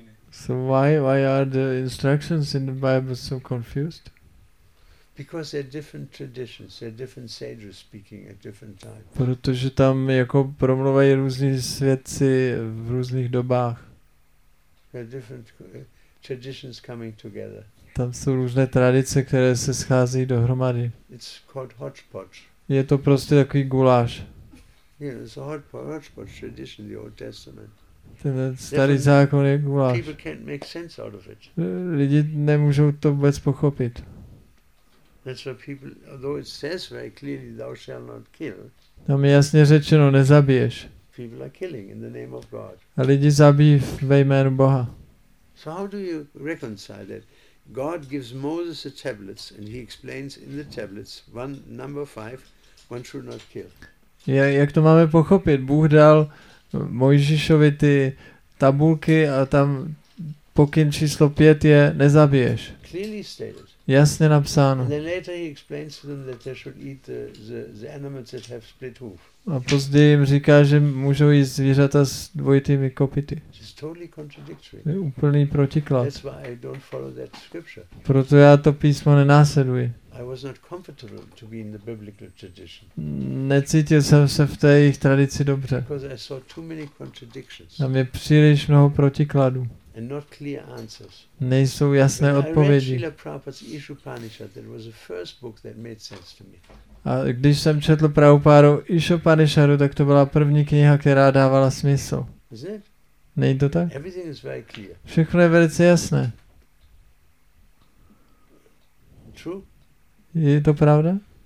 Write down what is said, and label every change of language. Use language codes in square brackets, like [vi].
[en] So why are the instructions in the Bible so confused? Because there are different traditions, there are different sages speaking at different times. [cs] Protože tam jako promluvají různí svědci v různých dobách. [en] There are different traditions coming together. [cs] Tam jsou různé tradice, které se schází dohromady. [en] It's called hodgepodge. [cs] Je to prostě takový guláš. [en] Yeah, it's a hodgepodge tradition, the Old Testament. [cs] ten starý zákon je guláš. [en] People can't make sense out of it. [cs] Lidi nemůžou to vůbec pochopit. [en] That's why people, although it says very clearly, thou shalt not kill. [cs] Tam je jasně řečeno, nezabiješ. [en] People are killing in the name of God. [cs] A lidi zabijí ve jménu Boha. [en] So how do you reconcile that? God gives Moses the tablets and he explains in the tablets one number 5, one should not kill. [cs] Jak to máme pochopit? Bůh dal Mojžíšovi ty tabulky a tam pokyn číslo 5 je nezabiješ. [en] Clearly stated. [cs] Jasně napsáno. [en] And then later he explains to them that they should eat the animals that have split hoof. [cs] A později jim říká, že můžou jíst zvířata s dvojitými kopyty. [en] Totally contradictory. [cs] Je úplný protiklad. [en] That's why I don't follow that scripture. [cs] Proto já to písmo nenásleduji. [en] I was not comfortable to be in the biblical tradition. [cs] Necítil jsem se v té jejich tradici dobře. [en] Because I saw too many contradictions. [cs] Tam je příliš mnoho protikladů. [en] And not clear answers. [cs] Nejsou jasné odpovědi. [en] I read Srila Prabhupada's Ishupanishad. That was the first book that made sense to me. [cs] A když jsem četl Prabhupádu Ishupanishadu, tak to byla první kniha, která dávala smysl. Není to tak? Všechno je velice jasné. Je to pravda?